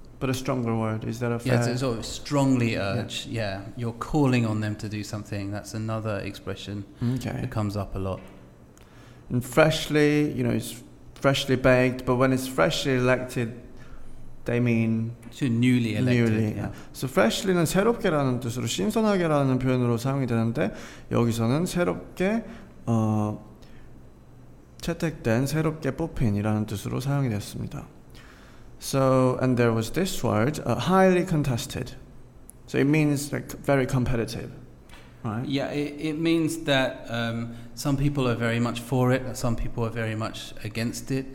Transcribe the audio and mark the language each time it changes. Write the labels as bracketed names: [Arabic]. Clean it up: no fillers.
[English] But a stronger word, is that a fair? Yeah, it's a sort of strongly urge. Yeah, you're calling on them to do something. That's another expression that comes up a lot. And freshly, you know, it's freshly baked, but when it's freshly elected, they mean to newly elected. [Korean] So freshly는 새롭게라는 뜻으로 신선하게라는 표현으로 사용이 되는데 여기서는 새롭게 채택된 새롭게 뽑힌이라는 뜻으로 사용이 됐습니다. [English] So and there was this word, highly contested. So it means like very competitive. right? Yeah, it means that some people are very much for it, some people are very much against it.